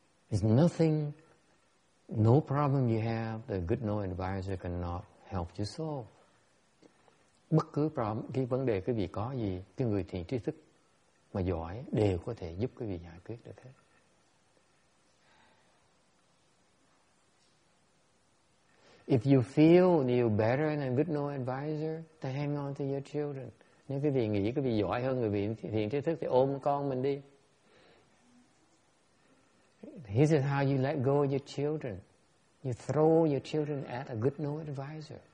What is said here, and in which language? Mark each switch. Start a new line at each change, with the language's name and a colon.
English: It's nothing, no problem you have that a good knowing advisor cannot help you solve.
Vietnamese: Bất cứ problem, cái vấn đề quý vị có gì, cái người thiện trí thức mà giỏi đều có thể giúp quý vị giải quyết được hết.
English: If you feel you're better than a good knowing advisor, then hang on to your children.
Vietnamese: Nếu quý vị nghĩ quý vị giỏi hơn người thiện trí thức thì ôm con mình đi.
English: This is how you let go of your children. You throw your children at a good knowing advisor.